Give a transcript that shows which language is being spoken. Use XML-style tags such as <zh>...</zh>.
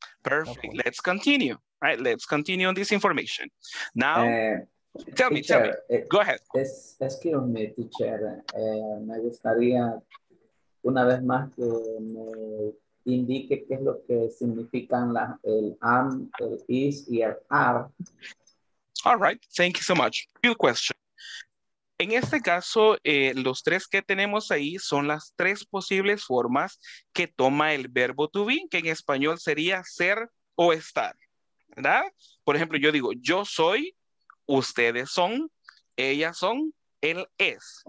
<en>Perfect. Let's continue. All right, let's continue on this information. Now, tell me. Go ahead. Excuse me, teacher.</en> <es>Me gustaría una vez más que me indique qué es lo que significan el am, el is, y el are.</es> <en>All right. Thank you so much. Good question.</en> <es>En este caso, los tres que tenemos ahí son las tres posibles formas que toma el verbo to be, que en español sería ser o estar, ¿verdad? Por ejemplo, yo digo, yo soy, ustedes son, ellas son, él es.</es>